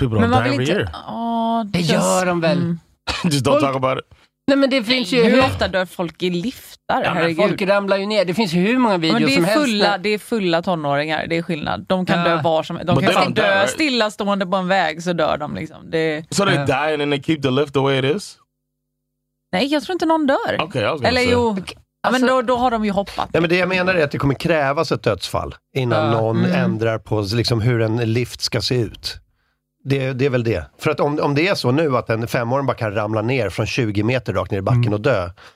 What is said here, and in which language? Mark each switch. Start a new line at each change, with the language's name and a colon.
Swedish: Men man vill inte... Det gör de väl.
English: Just don't talk about it.
Swedish: Nej, men det finns ju... Hur ofta dör folk i liftar? Ja, men folk ramlar ju ner. Det finns ju hur många videor som helst. Det är fulla tonåringar. Det är skillnad. De kan dö var som... De kan dö stilla stående på en väg så dör de liksom.
English: So they die and then they keep the lift the way it is?
Swedish: Nej, jag tror inte någon dör.
English: Okay,
Swedish: eller
English: say.
Swedish: Jo... Alltså, men då har de ju hoppat. Ja, men det jag menar är att det kommer krävas ett dödsfall innan någon ändrar på liksom, hur en lift ska se ut. Det är väl det. För att om det är så nu att en femåring bara kan ramla ner från 20 meter rakt ner i backen och dö.